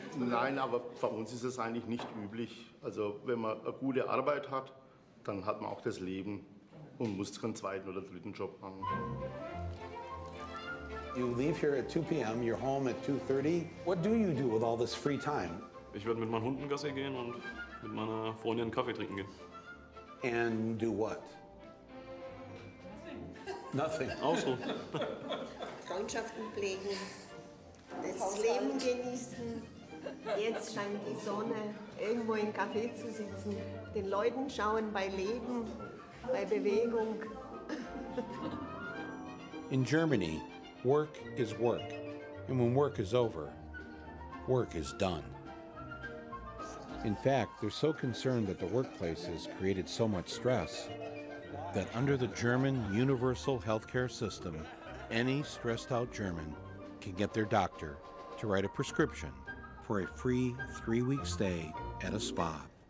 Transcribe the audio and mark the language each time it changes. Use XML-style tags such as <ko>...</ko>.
<de>Nein, aber für uns ist es eigentlich nicht üblich. Also wenn man eine gute Arbeit hat, dann hat man auch das Leben und muss keinen zweiten oder dritten Job machen.</de> <en>You leave here at 2 p.m., you're home at 2:30. What do you do with all this free time?</en> <de>Ich werde mit meinen Hunden Gassi gehen und mit meiner Freundin einen Kaffee trinken gehen.</de> <en>And do what? Nothing.</en> <de>Also. Freundschaften pflegen, das Leben genießen. Jetzt scheint die Sonne, irgendwo im Café zu sitzen, den Leuten schauen bei Leben, bei Bewegung.</de> <en>In Germany, work is work. And when work is over, work is done. In fact, they're so concerned that the workplace has created so much stress that under the German universal healthcare system, any stressed out German can get their doctor to write a prescription for a free 3-week stay at a spa.</en>